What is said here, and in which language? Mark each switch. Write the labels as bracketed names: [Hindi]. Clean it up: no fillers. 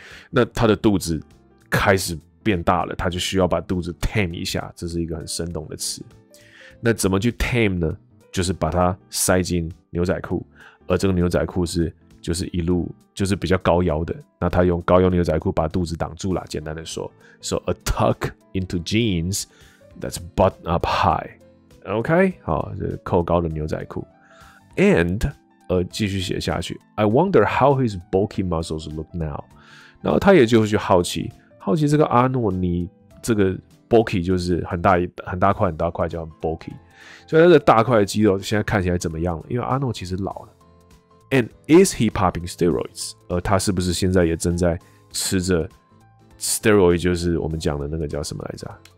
[Chinese] 那他的肚子开始变大了，他就需要把肚子 tame 一下，这是一个很生动的词。那怎么去 tame 呢？就是把它塞进牛仔裤，而这个牛仔裤是就是一路就是比较高腰的，那他用高腰牛仔裤把肚子挡住了，简单的说。 [English] So a tuck into jeans,That's button up high, OK? [Chinese] 好，这是扣高的牛仔裤。 [English] And [Chinese] 继续写下去。 [English] I wonder how his bulky muscles look now. [Chinese] 然后他也就去好奇这个阿诺，你这个 bulky 就是很大块叫 bulky， 所以他的大块的肌肉现在看起来怎么样了？因为阿诺其实老了。 [English] And is he popping steroids? [Chinese] 他是不是现在也正在吃着 steroid， 就是我们讲的那个叫什么来着？